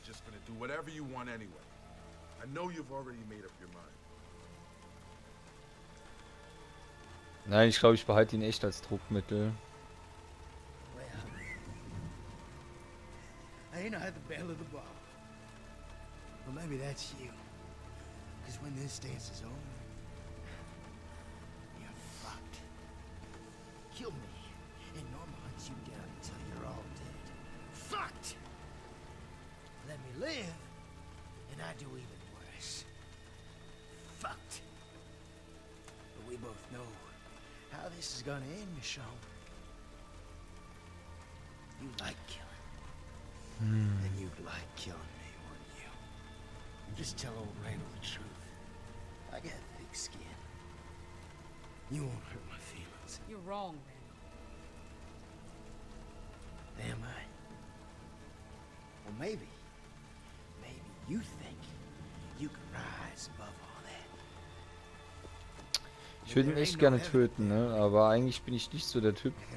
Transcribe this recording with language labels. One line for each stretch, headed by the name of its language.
English: Just gonna do whatever you want anyway. I know you've already made up your mind.
German: Nein, ich glaube, ich behalte ihn echt als Druckmittel.
English: I ain't had the bell of the bar. Well, maybe that's you. Because when this dance is over, you're fucked. Kill me, and Norma hunts you down until you're all dead. Fucked! Let me live, and I do even worse. Fucked. But we both know how this is gonna end, Michonne. You like killing. And you'd like killing me, wouldn't you? Just tell old Randall the truth. I got thick skin. You won't hurt my feelings. You're wrong, Randall. Am I? Well, maybe. Maybe you think you can rise above all that.
German: Ich würde ihn echt gerne töten, ne? Aber eigentlich bin ich nicht so der Typ.